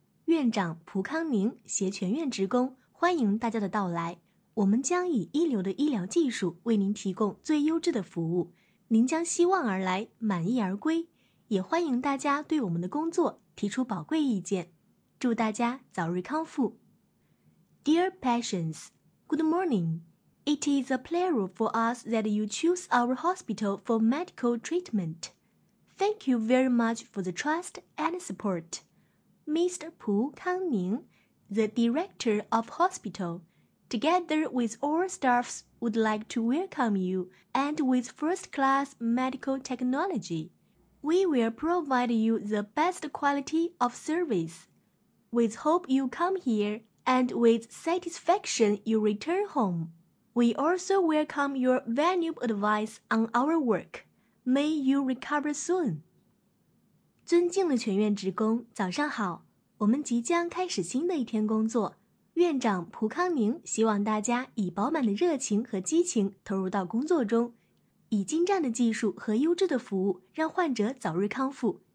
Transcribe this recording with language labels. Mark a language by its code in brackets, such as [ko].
[zh] 院长蒲康宁携全院职工欢迎大家的到来，我们将以一流的医疗技术为您提供最优质的服务，您将希望而来，满意而归，也欢迎大家对我们的工作提出宝贵意见，祝大家早日康复。 [en] Dear patients, good morning. It is a pleasure for us that you choose our hospital for medical treatment. Thank you very much for the trust and support. Mr. Pu Kangning, the director of hospital, together with all staffs would like to welcome you and with first-class medical technology. We will provide you the best quality of service. With hope you come here, and with satisfaction you return home. We also welcome your valuable advice on our work. May you recover soon. [zh] 尊敬的全院职工，早上好，我们即将开始新的一天工作。院长蒲康宁希望大家以饱满的热情和激情投入到工作中，以精湛的技术和优质的服务让患者早日康复。